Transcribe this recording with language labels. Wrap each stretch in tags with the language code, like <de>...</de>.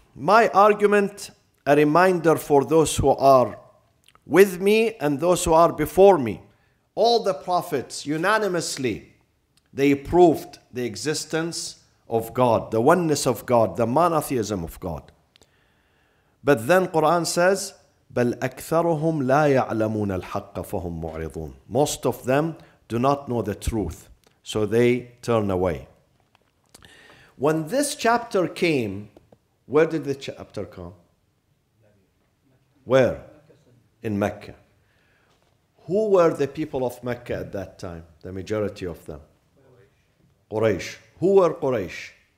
<en>My argument, a reminder for those who are with me and those who are before me. All the prophets unanimously, they proved the existence of God, the oneness of God, the monotheism of God. But then Quran says,</en> <ar>بَلْ أَكْثَرُهُمْ لَا يَعْلَمُونَ الْحَقَّ فَهُمْ مُعْرِضُونَ.</ar> <en>Most of them do not know the truth, so they turn away. When this chapter came, where did the chapter come? Where? In Mecca. Who were the people of Mecca at that time, the majority of them? Quraysh. Who were Quraysh?</en>